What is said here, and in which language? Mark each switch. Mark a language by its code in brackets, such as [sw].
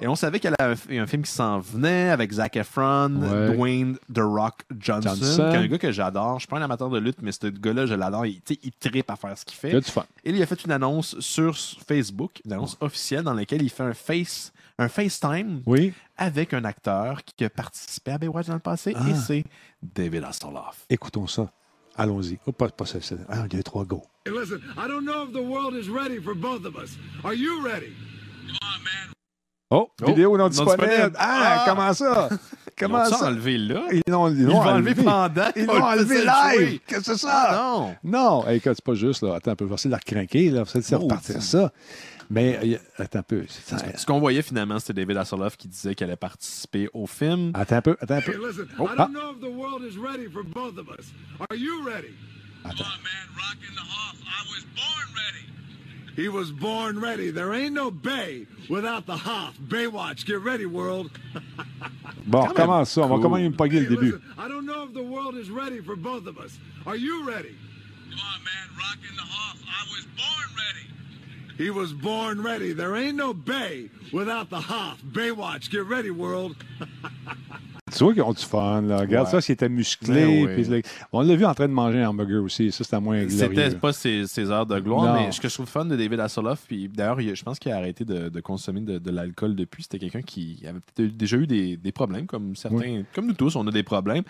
[fr] Et on savait qu'il y avait un film qui s'en venait avec Zac Efron, Dwayne The Rock Johnson, qui est un gars que j'adore. Je suis pas un amateur de lutte, mais ce gars-là, je l'adore. Il trippe à faire ce qu'il fait. C'est du fun. Et il a fait une annonce sur Facebook, une annonce officielle dans laquelle il fait un FaceTime avec un acteur qui a participé à Baywatch dans le passé, et c'est David Hasselhoff. Écoutons ça. Allons-y. Oh, pas ça, c'est... Un, deux, trois, go. [en] Hey, listen, I don't know if the world is ready for both of us. Are you ready? Come on, man. [fr] Oh, vidéo non disponible. Comment ça? Comment ça? Enlevé, là? Ils l'ont enlevé pendant. Ils l'ont enlevé live. Qu'est-ce que c'est ça? Non. Hey, écoute, c'est pas juste, là. Attends, on peut voir, c'est de la crinquer, là. C'est repartir ça. Mais, attends un peu. Ce qu'on voyait finalement, c'était David Hasselhoff qui disait qu'il allait participer au film. Attends un peu. [en] Hey, listen, I don't know if the world is ready for both of us. Are you ready? [fr] Attends. [en] Come on, man, rocking the Hoff. I was born ready. He was born ready. There ain't no Bay without the Hoff. Baywatch, get ready, world. [fr] Bon, comment ça? Cool. Comment il me pogne le début? [en] Listen, I don't know if the world is ready for both of us. Are you ready? Come on, man, rocking the Hoff. I was born ready. He was born ready. There ain't no Bay without the Hoff. Baywatch, get ready, world. [fr] Tu vois qu'ils ont du fun, là. Regarde ça, s'il était musclé. On l'a vu en train de manger un hamburger aussi. Ça, c'était moins glorieux. C'était pas ses heures de gloire, non. Mais ce que je trouve fun de David Hasselhoff, puis d'ailleurs, je pense qu'il a arrêté de consommer de l'alcool depuis. C'était quelqu'un qui avait peut-être déjà eu des problèmes, comme certains, comme nous tous, on a des problèmes.